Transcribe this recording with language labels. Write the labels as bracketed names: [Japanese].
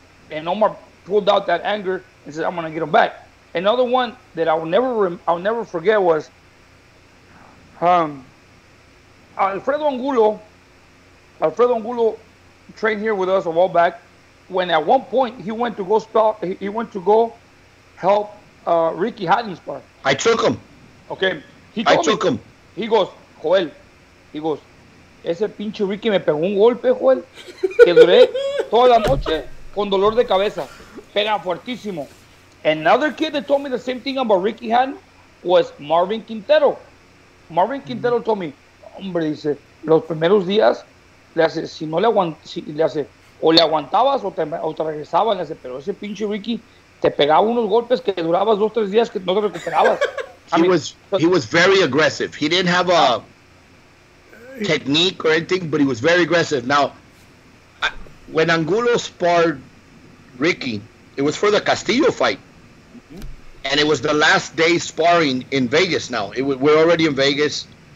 [English] And Omar pulled out that anger and said, I'm going to get him back. Another one that I'll never forget was Alfredo Angulo trained here with us a while back, when at one point he went to go help Ricky Hatton's part. I took him. Okay. He told me. He goes, Joel, he goes, [Spanish] ese pinche Ricky me pegó un golpe, Joel, que duré toda la noche con dolor de cabeza. Pega fuertísimo. [English] Another kid that told me the same thing about Ricky Hatton was Marvin Quintero. Marvin Quintero told me, [Spanish] hombre, dice, los primeros días, le hace, si no le aguantas, si, le hace, o le aguantabas o te regresabas, le hace, pero ese pinche Ricky te pegaba unos golpes que durabas dos, tres días que no te recuperabas. [English] He was very aggressive. He didn't have a technique or anything, but he was very aggressive. Now, when Angulo sparred Ricky, it was for the Castillo fight. And it was the last day sparring in Vegas now. We're already in Vegas.